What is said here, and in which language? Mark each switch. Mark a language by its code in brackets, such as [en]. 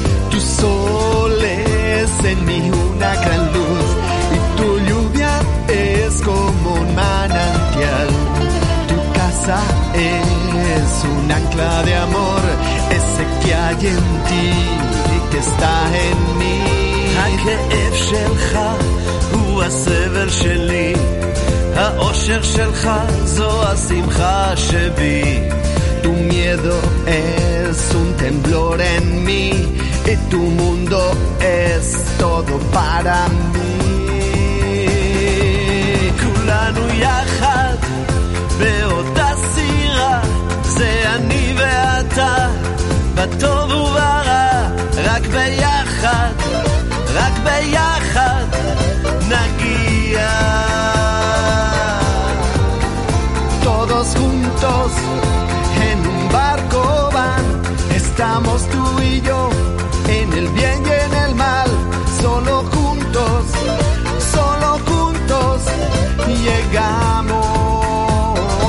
[es] Tu sol es en mi una gran luz y tu lluvia es como un manantial. Tu casa es un ancla de amor, ese que hay en ti y que está en mí. [he] הכאב שלך הוא הסבל שלי, האושר שלך זו השמחה שבי. [es] Tu miedo es un temblor en mí y tu mundo es todo para mí. [he] כולנו יחד באותה סירה, זה אני ואתה, בטוב וברע, רק ביחד, רק ביחד נגיע. [es] Todos juntos en un barco van, estamos tú y yo en el bien y en el mal. Solo juntos, solo juntos llegamos.